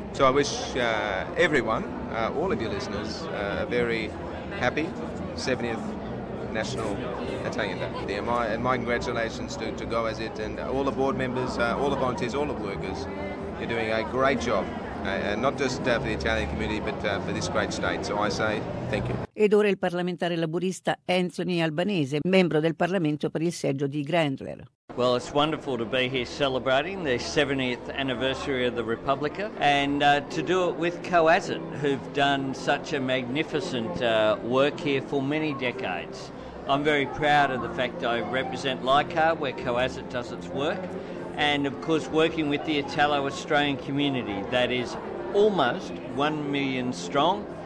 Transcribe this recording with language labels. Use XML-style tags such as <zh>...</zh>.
<en>So I wish everyone, all of your listeners, a very happy 70th National Italian Day. And my congratulations to Go As It and all the board members, all the volunteers, all the workers. You're doing a great job, not just for the Italian community, but for this great state. So I say thank you.</en> <it>Ed ora il parlamentare laburista Anthony Albanese, membro del Parlamento per il seggio di Grandler.</it> <en>Well, it's wonderful to be here celebrating the 70th anniversary of the Republica, and to do it with COASIT, who've done such a magnificent work here for many decades. I'm very proud of the fact I represent Leichhardt, where COASIT does its work, and of course working with the Italo-Australian community that is almost 1 million strong.</en>